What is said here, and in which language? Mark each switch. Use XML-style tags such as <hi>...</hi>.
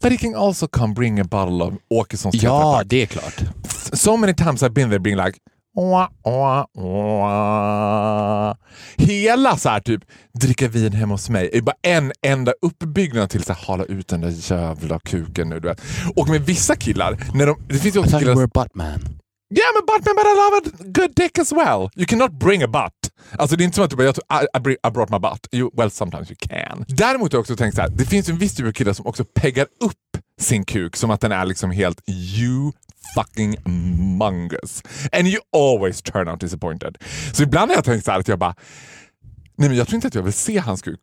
<en>But he can also come bring a bottle of Åkessons.</en> <sv>Ja, det är klart.</sv> <en>So many times I've been there being like, wah, wah, wah.</en> <sv>Hela så här typ dricka vin hemma hos mig är bara en enda uppbyggnad till att hålla ut den där jävla kuken nu, du vet. Och med vissa killar när de, det finns ju också killar,</sv> <en>we're a butt man. Yeah, I'm a butt man, but I love a good dick as well. You cannot bring a butt.</en> <sv>Alltså det är inte som att du bara,</sv> <en>I brought my butt. You, well, sometimes you can.</en> <sv>Däremot har jag också tänkt så här, det finns en viss typ av killar som också peggar upp sin kuk som att den är liksom helt</sv> <en>you fucking mongous. And you always turn out disappointed.</en> <sv>Så ibland har jag tänkt så här att jag bara, nej men jag tror inte att jag vill se hans kuk.</sv>